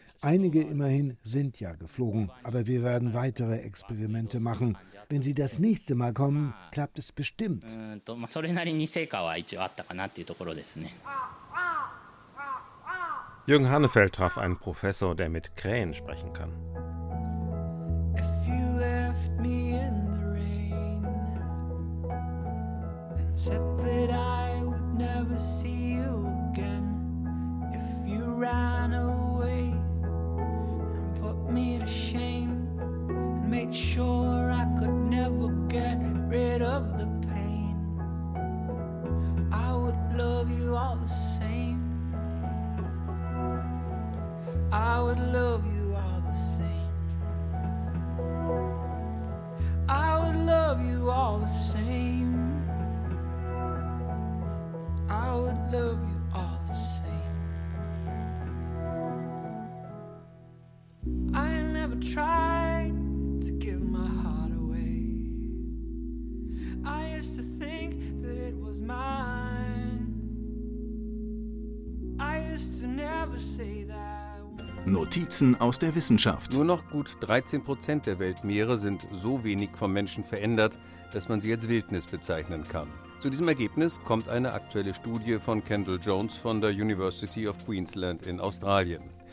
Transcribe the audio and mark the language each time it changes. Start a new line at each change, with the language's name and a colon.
German: Einige immerhin sind ja geflogen, aber wir werden weitere Experimente machen. Wenn sie das nächste Mal kommen, klappt es bestimmt. Jürgen Hannefeld traf einen Professor, der mit Krähen sprechen kann.
English: If you left me in the rain and said that I would never see you again, if you ran away and put me to shame and made sure I could never get rid of the pain, I would love you all the same. I would love you all the same. I would love you all the same. I would love you all the same. I never tried to give my heart away. I used to think that it was mine. I used to never say that.
German: Notizen aus der Wissenschaft. Nur noch gut 13% der Weltmeere sind so wenig vom Menschen verändert, dass man sie als Wildnis bezeichnen kann. Zu diesem Ergebnis kommt eine aktuelle Studie von Kendall Jones von der University of Queensland in Australien.